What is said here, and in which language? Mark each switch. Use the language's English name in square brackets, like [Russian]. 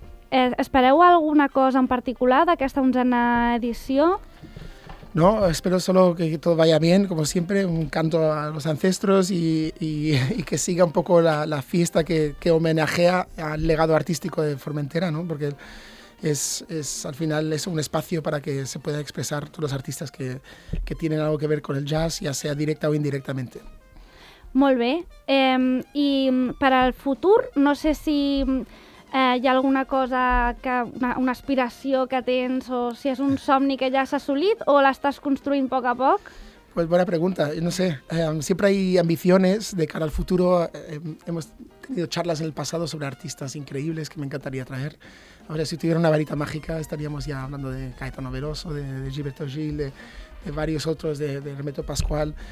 [Catalan] Espereu alguna cosa en particular d'aquesta 11a edició? [Spanish] No, espero solo que todo vaya bien, como siempre, un canto a los ancestros y que siga un poco la fiesta que homenajea al legado artístico de Formentera, ¿no? Porque es al final es un espacio para que se puedan expresar todos los artistas que tienen algo que ver con el jazz, ya sea directa o indirectamente. [Catalan] Molt bé. I per al futur, no sé si hi ha alguna cosa, una aspiració que tens, o si és un somni que ja s'ha assolit, o l'estàs construint a poc a poc? [Spanish] Pues buena pregunta. Yo no sé. Siempre hay ambiciones de cara al futuro. Hemos tenido charlas en el pasado sobre artistas increíbles que me encantaría traer. Ahora, si tuviera una varita mágica, estaríamos ya hablando de Caetano Veloso, de Gilberto Gil, de varios otros, de Hermeto Pascual.